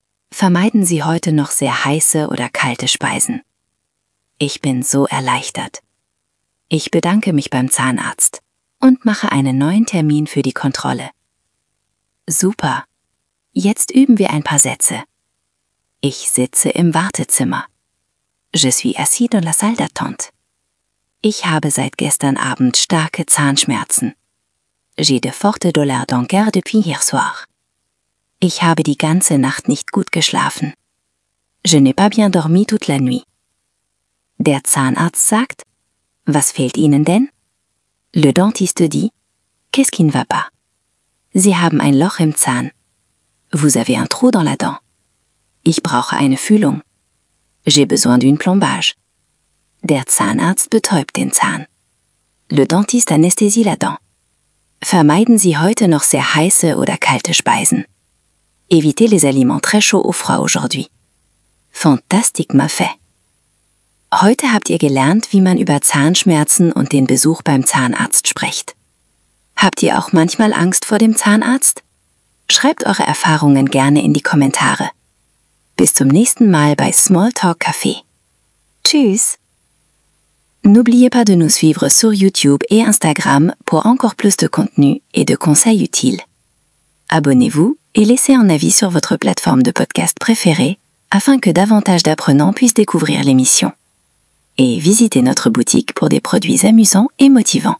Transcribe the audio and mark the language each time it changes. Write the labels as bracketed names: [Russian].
[German] Vermeiden Sie heute noch sehr heiße oder kalte Speisen. Ich bin so erleichtert. Ich bedanke mich beim Zahnarzt und mache einen neuen Termin für die Kontrolle. Super. Jetzt üben wir ein paar Sätze. Ich sitze im Wartezimmer. [French] Je suis assis dans la salle d'attente. [German] Ich habe seit gestern Abend starke Zahnschmerzen. [French] J'ai de fortes douleurs dentaires depuis hier soir. [German] Ich habe die ganze Nacht nicht gut geschlafen. [French] Je n'ai pas bien dormi toute la nuit. [German] Der Zahnarzt sagt: Was fehlt Ihnen denn? [French] Le dentiste dit: Qu'est-ce qui ne va pas? [German] Sie haben ein Loch im Zahn. [French] Vous avez un trou dans la dent. [German] Ich brauche eine Füllung. [French] J'ai besoin d'une plombage. [German] Der Zahnarzt betäubt den Zahn. [French] Le dentiste anesthésie la dent. [German] Vermeiden Sie heute noch sehr heiße oder kalte Speisen. [French] Évitez les aliments très chauds ou froids aujourd'hui. Fantastique, ma fée. [German] Heute habt ihr gelernt, wie man über Zahnschmerzen und den Besuch beim Zahnarzt spricht. Habt ihr auch manchmal Angst vor dem Zahnarzt? Schreibt eure Erfahrungen gerne in die Kommentare. Bis zum nächsten Mal bei Small Talk Café. Tschüss! [French] N'oubliez pas de nous suivre sur YouTube et Instagram pour encore plus de contenu et de conseils utiles. Abonnez-vous et laissez un avis sur votre plateforme de podcast préférée afin que davantage d'apprenants puissent découvrir l'émission. Et visitez notre boutique pour des produits amusants et motivants.